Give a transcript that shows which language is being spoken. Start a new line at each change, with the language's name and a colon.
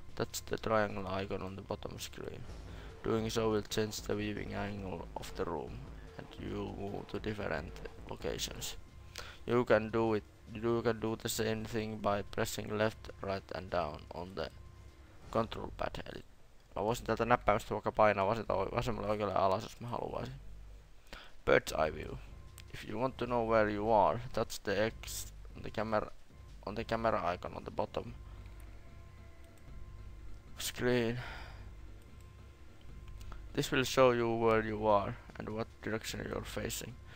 English: That's the triangle icon on the bottom screen. Doing so will change the viewing angle of the room, and you move to different locations. You can do the same thing by pressing left, right and down on the control pad.
Finnish: Eli mä voisin tältä näppäimistä vaikka painaa vasemmalle oikealle alas, jos mä haluaisin.
English: Bird's eye view. If you want to know where you are, touch the X on the camera icon on the bottom screen. This will show you where you are and what direction you're facing.